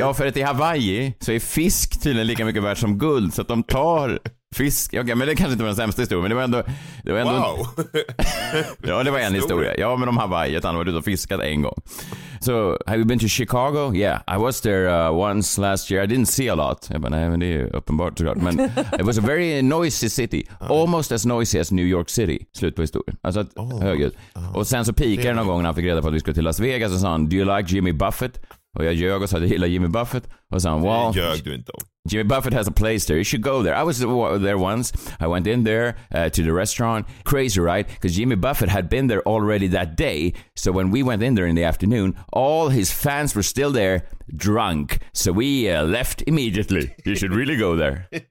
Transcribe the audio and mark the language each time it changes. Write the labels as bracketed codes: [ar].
[sv] Ja, för att i Hawaii så är fisk tydligen lika mycket värd som guld. Så att de tar Fisk, okej, okay, men det kanske inte var den sämsta historien, men det var ändå, det var ändå wow. En... Ja, det var en historia. Ja, men om Hawaii, ett annat var ute och fiskat en gång. [en] So, have you been to Chicago? Yeah, I was there once last year. I didn't see a lot. [sv] Jag bara, nej, men det är uppenbart såklart. Men [en] it was a very noisy city. Almost as noisy as New York City. [sv] Slut på historien. Alltså, att, högljud. Och sen så pikade det någon gång när han fick reda på att vi skulle till Las Vegas och sa han, [en] do you like Jimmy Buffett? [sv] Och jag ljög och sa att jag gillar Jimmy Buffett. Och sa han, [en] well, Jimmy Buffett has a place there. You should go there. I was there once. I went in there to the restaurant. Crazy, right? Because Jimmy Buffett had been there already that day. So when we went in there in the afternoon, all his fans were still there, drunk. So we left immediately. You should really go there.